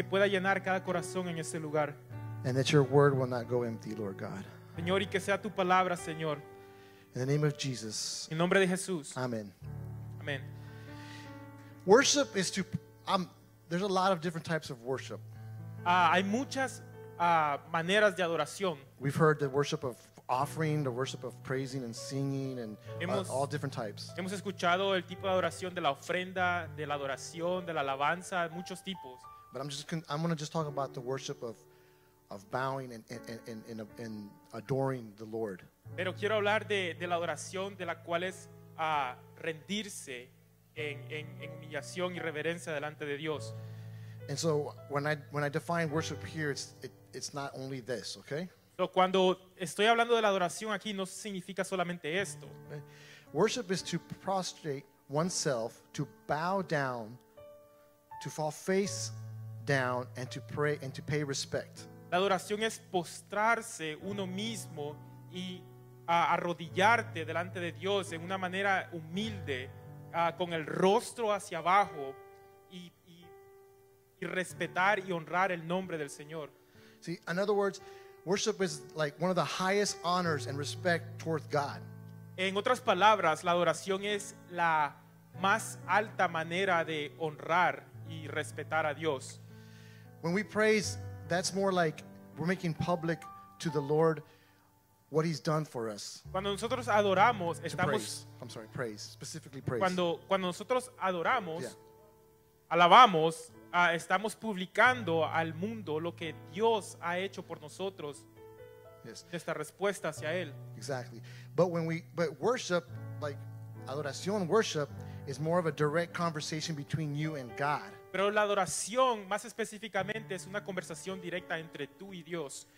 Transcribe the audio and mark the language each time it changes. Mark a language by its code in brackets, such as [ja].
[es] Que pueda llenar cada corazón en este lugar. [en] And that your word will not go empty, Lord God. [es] Señor, y que sea tu palabra, Señor. [en] In the name of Jesus. [es] En nombre de Jesús. Amen. Amen. [en] Worship is to there's a lot of different types of worship. [es] Hay muchas maneras de adoración. [en] We've heard the worship of offering, the worship of praising and singing, and all different types. [es] Hemos escuchado el tipo de adoración de la ofrenda, de la adoración, de la alabanza, muchos tipos. [en] But I'm going to just talk about the worship of bowing and adoring the Lord. [es] Pero quiero hablar de la adoración de la cual es rendirse en humillación y reverencia delante de Dios. [en] And so when I define worship here, it's not only this, okay? [es] So cuando estoy hablando de la adoración aquí, no significa solamente esto. [en] Okay. Worship is to prostrate oneself, to bow down, to fall face down, and to pray and to pay respect. [es] La adoración es postrarse uno mismo y arrodillarte delante de Dios en una manera humilde, con el rostro hacia abajo y respetar y honrar el nombre del Señor. [en] See, in other words, worship is like one of the highest honors and respect toward God. [es] En otras palabras, la adoración es la más alta manera de honrar y respetar a Dios. [en] When we praise, that's more like we're making public to the Lord what he's done for us. [es] Cuando nosotros adoramos, estamos [en] praise. I'm sorry, praise, specifically praise. [es] Cuando nosotros adoramos, yeah, alabamos, estamos publicando al mundo lo que Dios ha hecho por nosotros. [en] Yes. [es] Esta respuesta hacia él. [en] Exactly. But worship, like adoración, worship is more of a direct conversation between you and God. [es] Pero la adoración, más específicamente, es una conversación directa entre tú y Dios.